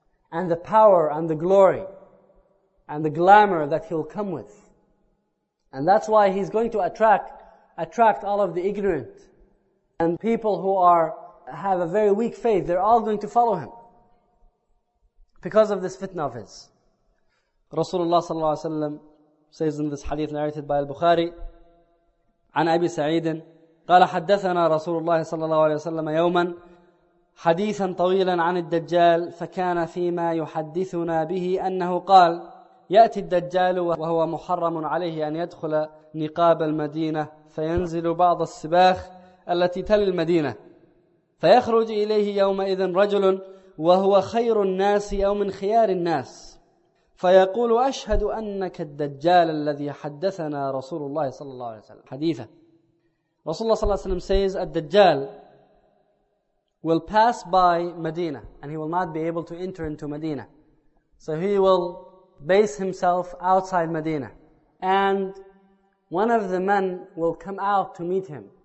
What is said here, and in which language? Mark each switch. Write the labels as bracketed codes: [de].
[en] And the power and the glory. And the glamour that he'll come with. And that's why he's going to attract all of the ignorant. And people who have a very weak faith, they're all going to follow him because of this fitna of his. Rasulullah sallallahu alayhi wa sallam says in this hadith narrated by al-Bukhari, [ar] عن أبي سعيد قال حدثنا رسول الله صلى الله عليه وسلم يوما حديثا طويلا عن الدجال فكان فيما يحدثنا به أنه قال يأتي الدجال وهو محرم عليه أن يدخل نقاب المدينة فينزل بعض السباخ التي تل المدينة فيخرج إليه يومئذ رجل وهو خير الناس أو من خيار الناس فيقول أشهد أنك الدجال الذي حدثنا رسول الله صلى الله عليه وسلم حديثة. رسول الله صلى الله عليه وسلم [en] says الدجال will pass by Medina and he will not be able to enter into Medina, so he will base himself outside Medina and one of the men will come out to meet him.